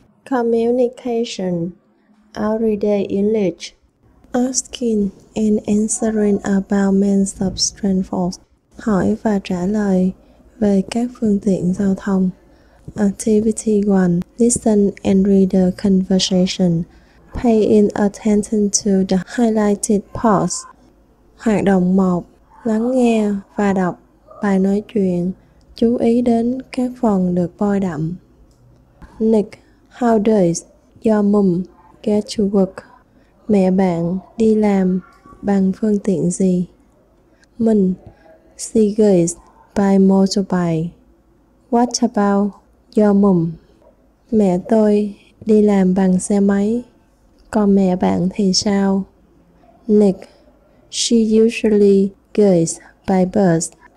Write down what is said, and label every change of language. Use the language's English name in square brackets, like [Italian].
[English] Communication, Everyday English. Asking and answering about means of transport. [Vietnamese] Hỏi và trả lời về các phương tiện giao thông. [English] Activity 1. Listen and read the conversation, paying attention to the highlighted parts. [Vietnamese] Hoạt động 1. Lắng nghe và đọc bài nói chuyện. Chú ý đến các phần được bôi đậm. [English] Nick, how does your mom get to work? [Vietnamese] Mẹ bạn đi làm bằng phương tiện gì? [English] Mình, she goes by motorbike. What about your mom? [Vietnamese] Mẹ tôi đi làm bằng xe máy. Còn mẹ bạn thì sao? [English] Nick, she usually goes by bus.